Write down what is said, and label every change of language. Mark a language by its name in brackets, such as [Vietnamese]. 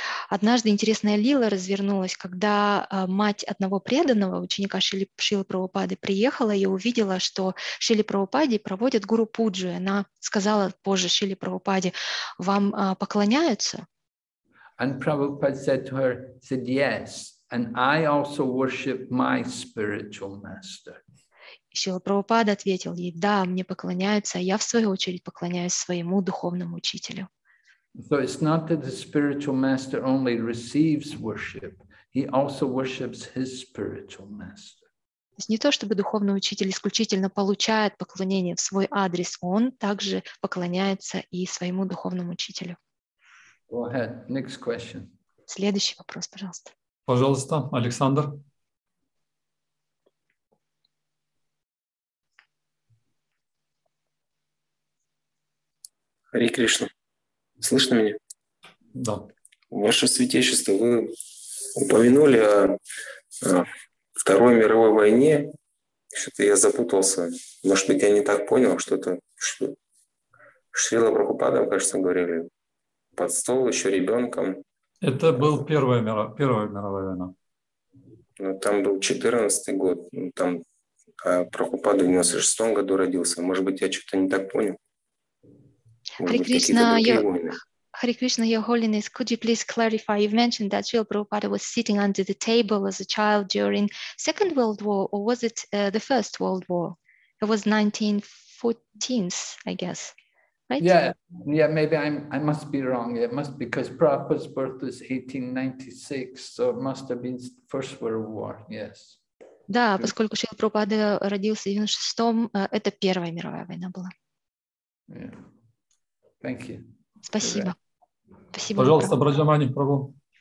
[Russian] Однажды интересная лила развернулась, когда мать одного преданного, ученика Шрилы Прабхупады, приехала и увидела, что Шриле Прабхупаде проводят гуру пуджу. Она сказала позже Шриле Прабхупаде: «Вам поклоняются?» [English] And Prabhupada said to her, said, yes, and I also worship my spiritual master. [Russian] Шрила Прабхупада ответил ей: да, мне поклоняются, а я в свою очередь поклоняюсь своему духовному учителю. [English] So it's not that the spiritual master only receives worship, he also worships his spiritual master. [Russian] То есть не то, чтобы духовный учитель исключительно получает поклонение в свой адрес, он также поклоняется и своему духовному учителю. [English] Go ahead. Next question. [Russian] Следующий вопрос, пожалуйста. Пожалуйста, Александр. Хари Кришна. Слышно меня? Да. Ваше святейшество, вы упомянули о Второй мировой войне. Что-то я запутался. Может быть, я не так понял, что-то. Шрила Прабхупада, кажется, говорили. Под стол еще ребенком. Это был Первая мировая война. Ну, там был 14-й год. Ну, там Прабхупада в 96-м году родился. Может быть, я что-то не так понял. [English] Hare Krishna, Your Holiness, could you please clarify? You've mentioned that Srila Prabhupada was sitting under the table as a child during Second World War, or was it the First World War? It was 1914, I guess. Right? Yeah, maybe I must be wrong. It must be because Prabhupada's birth was 1896, so it must have been First World War, yes. [Russian] Да, поскольку Шрила Прабхупада родился в 96-м, это Первая мировая война была. [English] Yeah. Thank you. [Russian] Спасибо. [English] Right. [Russian] Спасибо. Пожалуйста, Браджамани Прабху.